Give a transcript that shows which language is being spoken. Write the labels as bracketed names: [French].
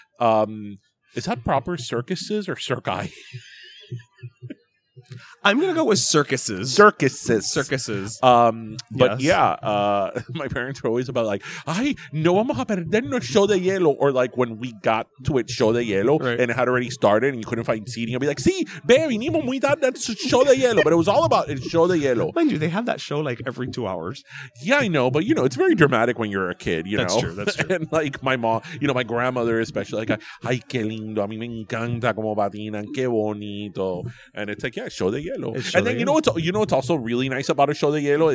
[English] Is that proper circuses or circi? I'm going to go with circuses. Circuses. But yes. Yeah, my parents were always about like, [Spanish] ay, no vamos a perder no show de hielo. [English] Or like when we got to it, show de hielo, right, and it had already started and you couldn't find seating. I'd be like, [Spanish] sí, ve, vinimos muy tarde, show de hielo. [English] But it was all about it, show de hielo. Mind you, they have that show like every 2 hours. Yeah, I know. But, you know, it's very dramatic when you're a kid, you that's know. That's true. And like my mom, you know, my grandmother especially, like, [Spanish] ay, qué lindo, a mí me encanta como patinan, qué bonito. [English] And it's like, yeah, show de hielo. And then you know what's also really nice about a show de hielo?